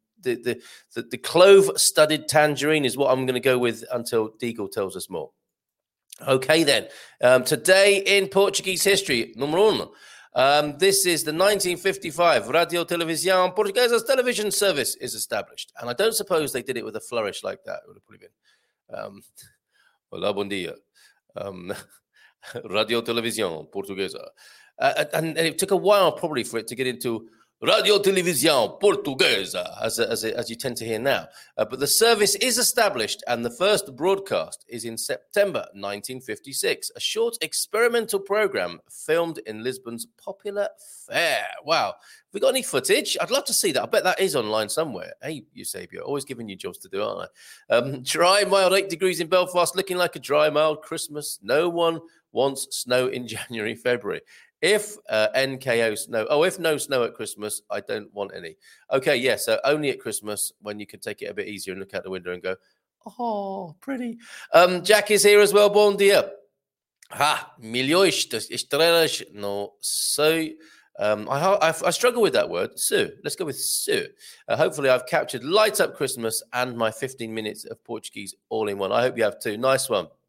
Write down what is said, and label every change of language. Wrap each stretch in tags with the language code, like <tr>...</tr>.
<en>the clove-studded tangerine is what I'm going to go with until Deagle tells us more. Okay, then. Today in Portuguese history, number one. This is the 1955 Radio Televisão Portuguesa's television service is established. And I don't suppose they did it with a flourish like that. It would have probably been,</en> <pt>olá, bom dia.</pt> <en>Radio Televisão Portuguesa. And it took a while probably for it to get into Radio Televisão Portuguesa, as you tend to hear now. But the service is established and the first broadcast is in September 1956, a short experimental program filmed in Lisbon's popular fair. Wow. Have we got any footage? I'd love to see that. I bet that is online somewhere. Hey, Eusebio, always giving you jobs to do, aren't I? Dry, mild, 8 degrees in Belfast, looking like a dry, mild Christmas. No one wants snow in January, February. If no snow at Christmas, I don't want any. Okay, yeah, so only at Christmas when you can take it a bit easier and look out the window and go, oh, pretty. Jack is here as well,</en> <pt>bom dia. Ha, milhões de estrelas no céu.</pt> <en>I struggle with that word, Sue. Let's go with Sue. Hopefully I've captured Light Up Christmas and my 15 minutes of Portuguese all in one. I hope you have too. Nice one.</en>